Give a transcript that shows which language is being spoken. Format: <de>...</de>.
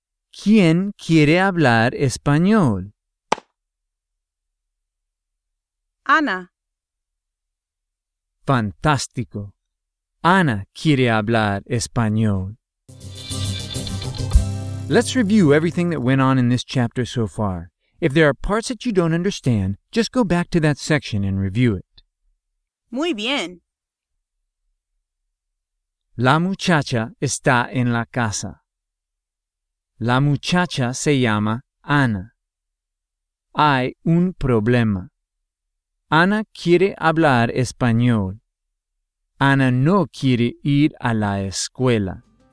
<es>¿Quién quiere hablar español? Ana. Fantástico. Ana quiere hablar español.</es> <en>Let's review everything that went on in this chapter so far. If there are parts that you don't understand, just go back to that section and review it.</en> <es>Muy bien. La muchacha está en la casa. La muchacha se llama Ana. Hay un problema. Ana quiere hablar español. Ana no quiere ir a la escuela.</es>